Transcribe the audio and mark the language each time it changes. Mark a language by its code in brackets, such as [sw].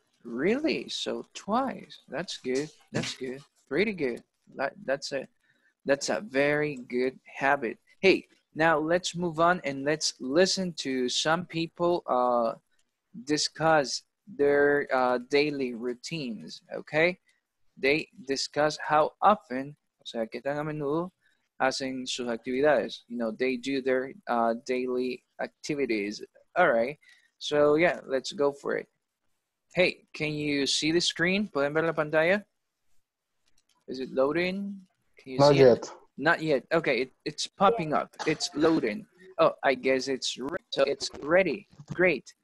[en] Really? So twice. That's good. That's good. Pretty good. That's a very good habit. Hey, now let's move on and let's listen to some people discuss their daily routines, okay? They discuss how often, [es] o sea, qué tan a menudo hacen sus actividades. [en] You know, they do their daily activities. All right. So, yeah, let's go for it. Hey, can you see the screen? [es] ¿Pueden ver la pantalla? [en] Is it loading? Can you see it? Not yet. Okay, it's popping up. It's loading. Oh, I guess it's ready. So it's ready. Great.